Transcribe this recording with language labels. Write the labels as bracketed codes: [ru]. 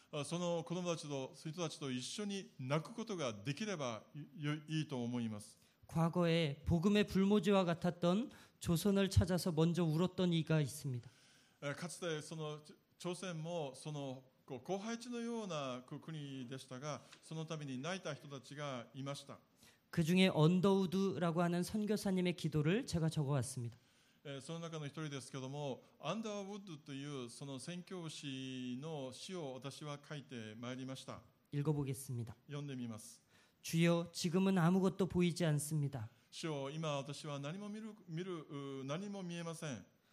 [ja] その子供たちと人たちと一緒に泣くことができればいいと思います。 [ko] 과거에복음의불모지와같았던조선을찾아서먼저울었던이가있습니다。 [ja] かつてその朝鮮もその荒廃地のような国でしたが、そのために泣いた人たちがいました。 [ko] 그중에언더우드라고하는선교사님의기도를제가적어왔습니다。 [ja] その中の一人ですけども、アンダーウッドというその宣教師の詩を私は書いてまいりました。 [ko] 읽어보겠습니다。 [ja] 読んでみます。 [ko] 주여지금은아무것도보이지않습니다。 [ja] 主よ、今私は何も見えません。